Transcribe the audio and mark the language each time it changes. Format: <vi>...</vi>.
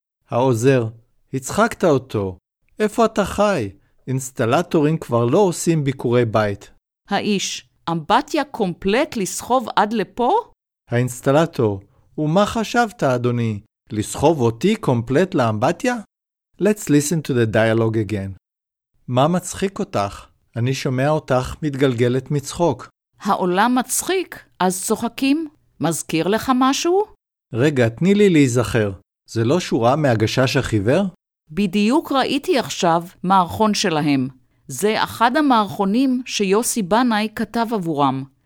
<he>העוזר, הצחקת אותו. איפה אתה חי? אינסטלטורים כבר לא עושים ביקורי בית. האיש, אמבטיה קומפלט לסחוב עד לפה? האינסטלטור, ומה חשבת, אדוני? לסחוב אותי קומפלט לאמבטיה?</he> <en>Let's listen to the dialogue again.</en> <he>מה מצחיק אותך? אני שומע אותך מתגלגלת מצחוק. העולם מצחיק? אז צוחקים? מזכיר לך משהו? רגע, תני לי להיזכר. זה לא שורה מהגשש החיוור? בדיוק ראיתי עכשיו מערכון שלהם. זה אחד המערכונים שיוסי בנאי כתב עבורם.</he>